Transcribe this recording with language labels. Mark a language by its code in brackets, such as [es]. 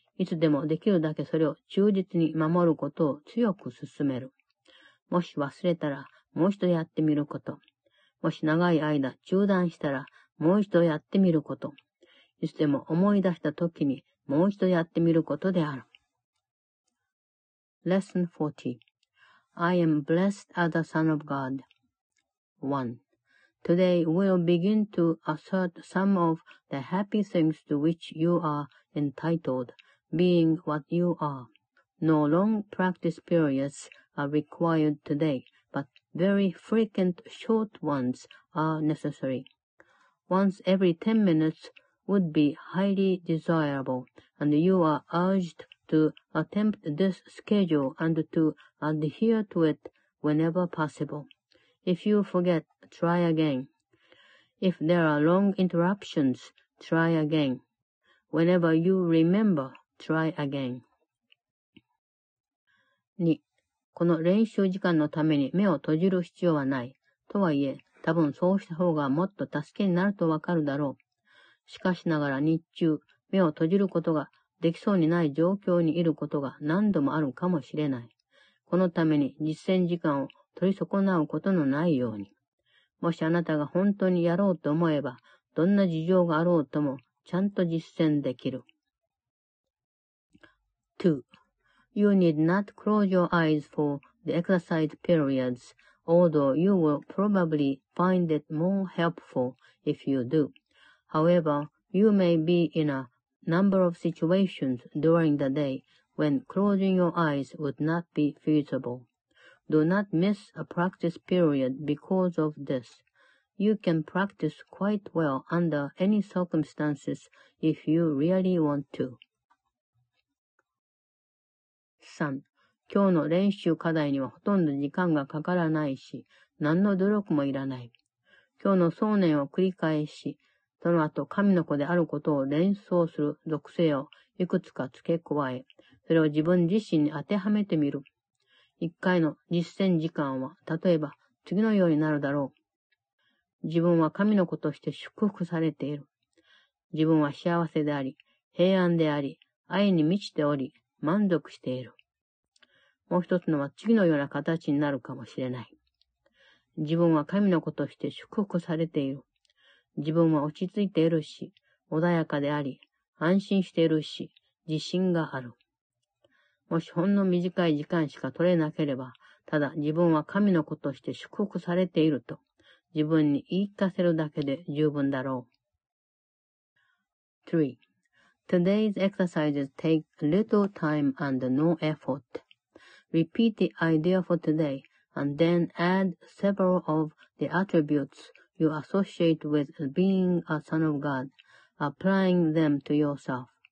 [ja] いつでもできるだけそれを忠実に守ることを強く勧める。もし忘れたら、もう一度やってみること。もし長い間中断したら、もう一度やってみること。いつでも思い出した時に、もう一度やってみることである。 [en] Lesson 40. I am blessed as a son of God. 1. Today we'll begin to assert some of the happy things to which you are entitled, being what you are. No long practice periods are required today, but very frequent short ones are necessary. Once every 10 minutes would be highly desirable, and you are urged to attempt this schedule and to adhere to it whenever possible. If you forget, try again. If there are long interruptions, try again. Whenever you remember, try again. 2. [ja] この練習時間のために目を閉じる必要はない。とはいえ、多分そうした方がもっと助けになるとわかるだろう。しかしながら日中、目を閉じることができそうにない状況にいることが何度もあるかもしれない。このために実践時間を取り損なうことのないように。もしあなたが本当にやろうと思えば、どんな事情があろうともちゃんと実践できる。 2. [en] You need not close your eyes for the exercise periods, although you will probably find it more helpful if you do. However, you may be in a number of situations during the day when closing your eyes would not be feasible. Do not miss a practice period because of this. You can practice quite well under any circumstances if you really want to. 3. [ja] 今日の練習課題にはほとんど時間がかからないし、何の努力もいらない。今日の想念を繰り返し、その後神の子であることを連想する属性をいくつか付け加え、それを自分自身に当てはめてみる。 1回の実践時間は、例えば次のようになるだろう。自分は神の子として祝福されている。自分は幸せであり、平安であり、愛に満ちており、満足している。もう一つのは次のような形になるかもしれない。自分は神の子として祝福されている。自分は落ち着いているし、穏やかであり、安心しているし、自信がある。もしほんの短い時間しか取れなければ、ただ自分は神の子として祝福されていると、自分に言い聞かせるだけで十分だろう。 3. [en] Today's exercises take little time and no effort. Repeat the idea for today and then add several of the attributes you associate with being a son of God, applying them to yourself.